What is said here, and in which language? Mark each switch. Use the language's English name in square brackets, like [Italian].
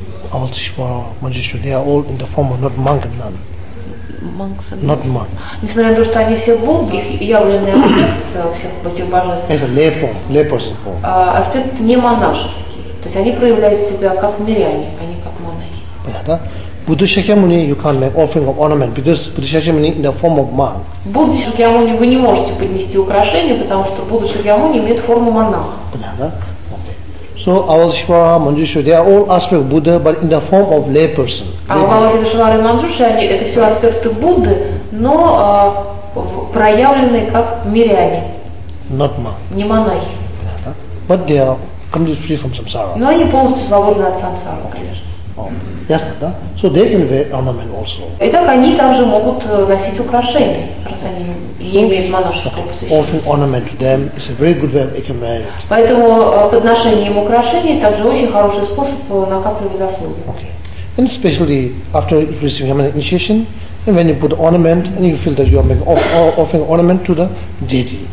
[English] Avalokiteshvara, Manjushri, they are all in the form of not monk and nun. Monks and not monk. [Russian] Несмотря на то, что они все боги, их явленный аспект всех этих божеств. Это лепорский form. Аспект не монашеский. То есть они проявляют себя как миряне, а не как монахи. Понятно? [English] Будда Шакьямуни, you can't make offering of ornament because Будда Шакьямуни in the form of monk. [Russian] Будда Шакьямуни вы не можете поднести украшение, потому что Будда Шакьямуни имеет форму монаха. Понятно? [English] So Avalokiteshvara, Manjushri, they are all aspects of Buddha, but in the form of lay person. [Russian] Avalokiteshvara и Manjushri, они это все аспекты Будды, но проявленные как миряне. [English] Not monk. [Russian] Не монахи. Понятно? [English] But they are completely free from samsara. [Russian] Но они полностью свободны от самсары, конечно. Ясно, да? [English] So they can wear ornament also. [Russian] Итак, они также могут носить украшения, раз они не имеют монашеского посвящения. [English] Offering ornament to them is a very good way of accumulating. [Russian] Поэтому подношение им украшений также очень хороший способ накапливать заслуги. [English] Okay. And especially after receiving yamana initiation, and when you put ornament, and you feel that you are offering ornament to the deity.